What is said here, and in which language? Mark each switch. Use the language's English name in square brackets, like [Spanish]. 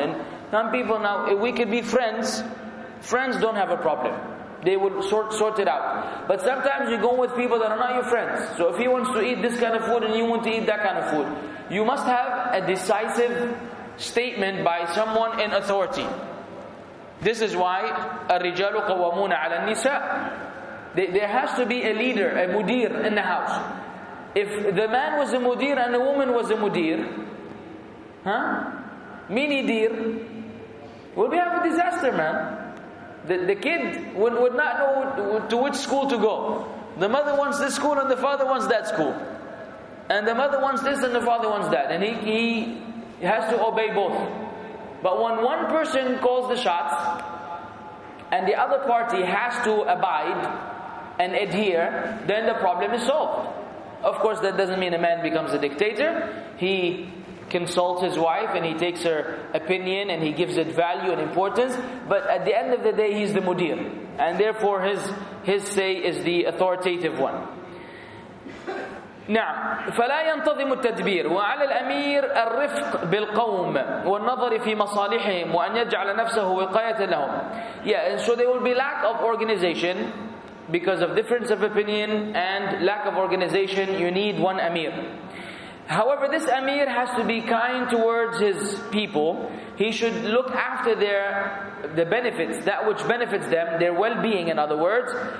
[English] And some people now, if we could be friends, friends don't have a problem. They would sort it out. But sometimes you go with people that are not your friends. So if he wants to eat this kind of food and you want to eat that kind of food, you must have a decisive statement by someone in authority. This is why [Arabic] الرِّجَالُ قَوَّمُونَ عَلَى النِّسَاءِ. [English] There has to be a leader, a mudir in the house. If the man was a mudir and the woman was a mudir, huh? Mini dir, we'll be having a disaster, man. The kid would not know to which school to go. The mother wants this school and the father wants that school. And the mother wants this and the father wants that. And he has to obey both. But when one person calls the shots and the other party has to abide and adhere, then the problem is solved. Of course, that doesn't mean a man becomes a dictator. He consults his wife and he takes her opinion and he gives it value and importance, but at the end of the day he's the mudir, and therefore his say is the authoritative one. [Arabic] نعم فلا ينتظم التدبير وعلى الأمير الرفق بالقوم والنظر في مصالحهم وأن يجعل نفسه وقاية لهم. [English] Yeah, and so there will be lack of organization because of difference of opinion and lack of organization. You need one Amir. However, this Amir has to be kind towards his people. He should look after the benefits, that which benefits them, their well-being in other words.